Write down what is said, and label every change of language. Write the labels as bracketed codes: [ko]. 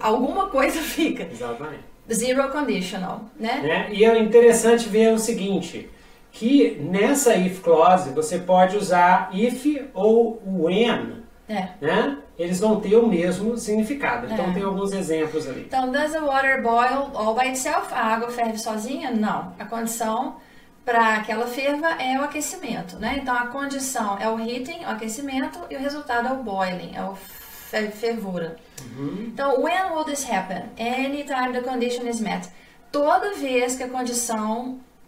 [pt] Alguma coisa fica. Exatamente. Zero conditional, né? E é interessante ver o seguinte... que nessa if clause você pode usar if ou when, né? Eles vão ter o mesmo significado, então tem alguns exemplos ali. [en] Então, does the water boil all by itself? [pt] A água ferve sozinha? Não. A condição para que ela ferva é o aquecimento, né? Então, a condição é o heating, o aquecimento, e o resultado é o boiling, é o fervura. Uhum. [en] Então, when will this happen? Anytime the condition is met. [pt] Toda vez que a condição...